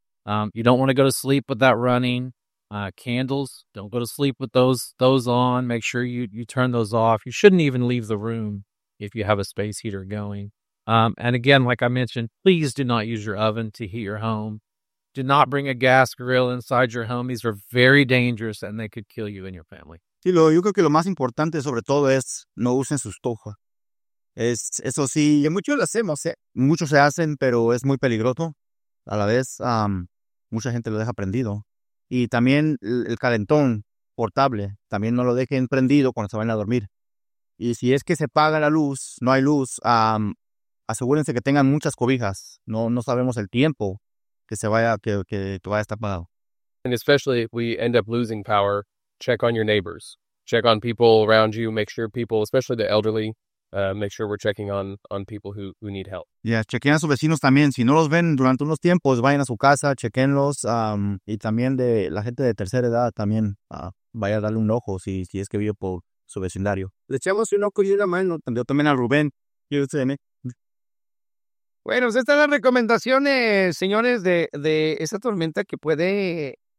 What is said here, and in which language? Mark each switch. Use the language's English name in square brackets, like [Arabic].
[English] You don't want to go to sleep with that running. Candles, don't go to sleep with those on. Make sure you turn those off. You shouldn't even leave the room if you have a space heater going. And again, like I mentioned, please do not use your oven to heat your home. Do not bring a gas grill inside your home. These are very dangerous and they could kill you and your family. [Spanish] Sí, yo creo que lo más importante sobre todo es no usen su estufa. Es, eso sí, y muchos lo hacemos, ¿eh? Muchos se hacen, pero es muy peligroso. A la vez, mucha gente lo deja prendido. Y también el calentón portable, también no lo dejen prendido cuando se vayan a dormir. Y si es que se apaga la luz, no hay luz, asegúrense que tengan muchas cobijas. No sabemos el tiempo que se vaya, que vaya a estar apagado. [English] And especially if we end up losing power, check on your neighbors. Check on people around you. Make sure people, especially the elderly, make sure we're checking on people who need help. [Spanish] Yeah, chequen a sus vecinos también. Si no los ven durante unos tiempos, vayan a su casa, chequenlos. Y también de la gente de tercera edad también vaya a darle un ojo si es que vive por su vecindario. Le echamos un ojo y una mano. Yo también a Rubén. Y usted, ¿eh? Bueno, estas son las recomendaciones, señores, de esa tormenta que puede...